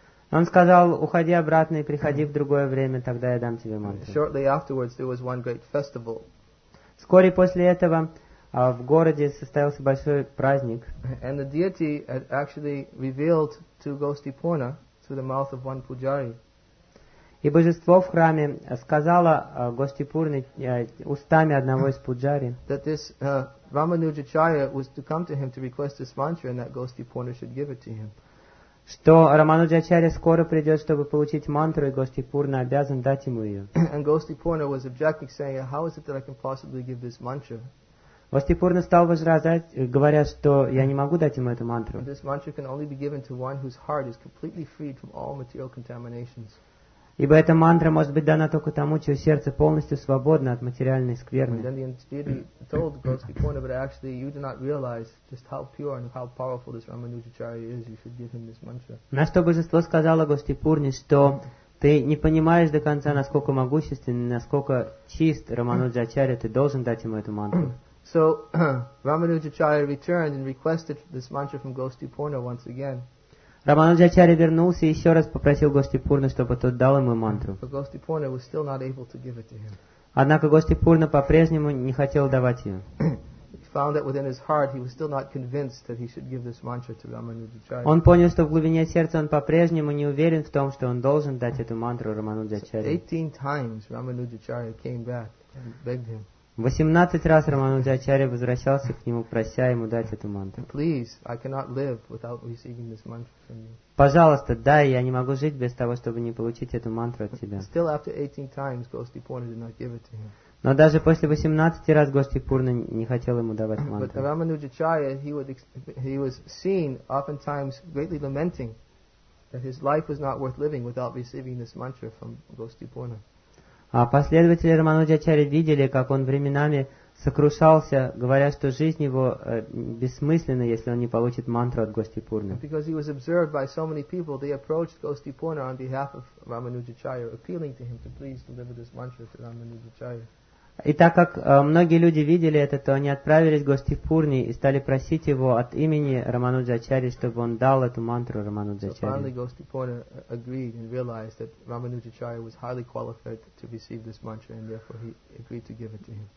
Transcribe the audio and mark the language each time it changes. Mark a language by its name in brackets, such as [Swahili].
[Russian] Он сказал: уходи обратно и приходи в другое время, тогда я дам тебе мантру. [English] Shortly afterwards, there was one great festival. [Russian] Вскоре после этого в городе состоялся большой праздник. [English] And the deity had actually revealed to Gosti Purna through the mouth of one pujari. [Russian] И божество в храме сказало Гости Пурне устами одного из пуджари. [English] That this Ramanujacharya was to come to him to request this mantra, and that Gosti Purna should give it to him. [Russian] Что Рамануджачарья скоро придет, чтобы получить мантру, и Гости Пурна обязан дать ему ее. [English] And Gosti Purna was objecting, saying, "How is it that I can possibly give this mantra?" [Russian] Гости Пурна стал возражать, говоря, что я не могу дать ему эту мантру. [English] And this mantra can only be given to one whose heart is completely freed from all material contaminations. [Russian] Ибо эта мантра может быть дана только тому, чье сердце полностью свободно от материальной скверны. [English] And then the entity told Gosti Purna, but actually you do not realize just how pure and how powerful this Ramanujacharya is. You should give him this mantra. [Russian] На что божество сказало Гости Пурне, что ты не понимаешь до конца, насколько могущественен, насколько чист Рамануджачарья, ты должен дать ему эту мантру. [English] So Ramanujacharya returned and requested this mantra from Gosti Purna once again. [Russian] Рамануджачарья вернулся и еще раз попросил Гости Пурну, чтобы тот дал ему мантру. [English] But Gosti Purna was still not able to give it to him. [Russian] Однако Гости Пурна по-прежнему не хотел давать ее. [English] He found that within his heart he was still not convinced that he should give this mantra to Ramanujacharya. [Russian] Он понял, что в глубине сердца он по-прежнему не уверен в том, что он должен дать эту мантру Рамануджачарье. [English] So 18 times Ramanujacharya came back and begged him. [Russian] 18 раз Рамануджачарья возвращался к нему, прося ему дать эту мантру. [English] Please, I cannot live without receiving this mantra from you. [Russian] Пожалуйста, дай, я не могу жить без того, чтобы не получить эту мантру от тебя. [English] Still after 18 times, Gosti Purna did not give it to him. [Russian] Но даже после 18 раз Гости Пурна не хотел ему давать мантру. [English] But Ramanujacharya, he was seen oftentimes greatly lamenting that his life was not worth living without receiving this mantra from Gosti Purna. [Russian] А последователи Рамануджачарьи видели, как он временами сокрушался, говоря, что жизнь его бессмысленна, если он не получит мантру от Гости Пурны. [English] Because he was observed by so many people, they approached Gosti Purna on behalf of Ramanujacharya, appealing to him to please deliver this mantra to Ramanujacharya. [Russian] И так как многие люди видели это, то они отправились к Гости Пурне и стали просить его от имени Рамануджачарьи, чтобы он дал эту мантру Рамануджачарьи. [English] So finally, Gosti Purna agreed and realized that Ramanujacharya was highly qualified to receive this mantra, and therefore he agreed to give it to him.